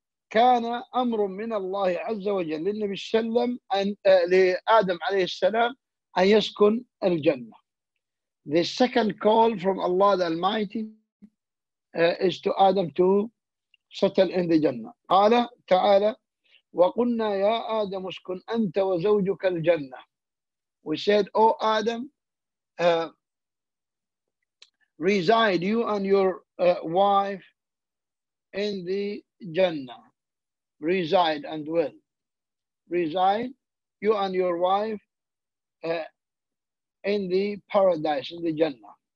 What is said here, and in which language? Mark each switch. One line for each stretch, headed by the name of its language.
Arabic: كان أمر من الله عز وجل للنبي السلم أن لآدم عليه السلام أن يسكن الجنة.
English: The second call from Allah the Almighty is to Adam to settle in the Jannah.
Arabic: قال تعالى وقلنا يا آدم اسكن أنت وزوجك الجنة.
English: We said, O Adam, reside you and your wife in the Jannah. Reside and dwell. Reside you and your wife in the paradise, in the Jannah.